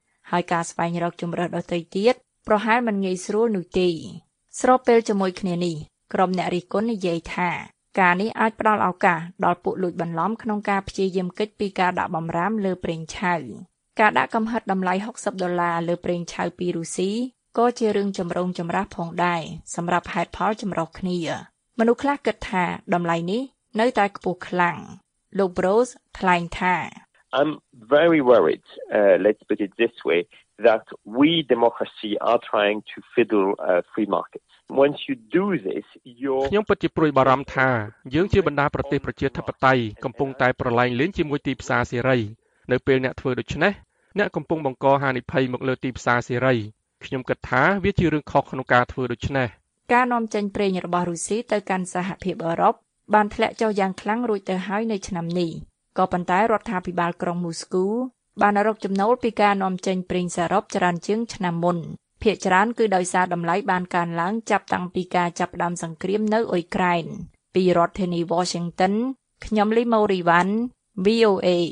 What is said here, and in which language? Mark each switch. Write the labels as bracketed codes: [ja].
[km] ហើយការស្វែងរកជម្រើសដទៃទៀតប្រហែលមិនងាយស្រួលនោះទេស្របពេលជាមួយគ្នានេះក្រុមអ្នករិះគន់និយាយថាការនេះអាចផ្តល់ឱកាសដល់ពួកលួចបន្លំក្នុងការព្យាយាមគេចពីការដាក់បំរាមលើប្រេងឆៅការដាក់កំហិតតម្លៃ60ដុល្លារលើប្រេងឆៅពីរុស្ស៊ីក៏ជារឿងចម្រូងចម្រាសផងដែរសម្រាប់ហេតុផលចម្រុះគ្នាមនុស្សខ្លះគិតថាតម្លៃនេះនៅតែខ្ពស់ខ្លាំងលោក Rose ថ្លែងថា [en] I'm very worried let's put it this way that we democracy are trying to fiddle free markets once you do this [km] ខ្ញុំពិតជាព្រួយបារម្ភថាយើងជាបណ្ដាប្រទេសប្រជាធិបតេយ្យកំពុងតែប្រឡែងលេងជាមួយទីផ្សារសេរីនៅពេលអ្នកធ្វើដូច្នេះអ្នកកំពុងបង្កហានិភ័យមកលើទីផ្សារសេរីខ្ញុំគិតថាវាជារឿងខុសក្នុងការធ្វើដូច្នេះ ការនាំចេញប្រេងរបស់រុស្ស៊ីទៅកាន់សហភាពអឺរ៉ុបបានធ្លាក់ចុះយ៉ាងខ្លាំងរួចទៅហើយនៅឆ្នាំនេះក៏ប៉ុន្តែរដ្ឋាភិបាលក្រុងមូស្គូបានរកចំណូលពីការនាំចេញប្រេងសរុបច្រើនជាងឆ្នាំមុនភាគច្រើនគឺដោយសារតម្លៃបានកើនឡើងចាប់តាំងពីការចាប់ផ្ដើមសង្គ្រាមនៅអ៊ុយក្រែនពីរដ្ឋធានី Washington ខ្ញុំលីម៉ូរីវ៉ាន់ VOA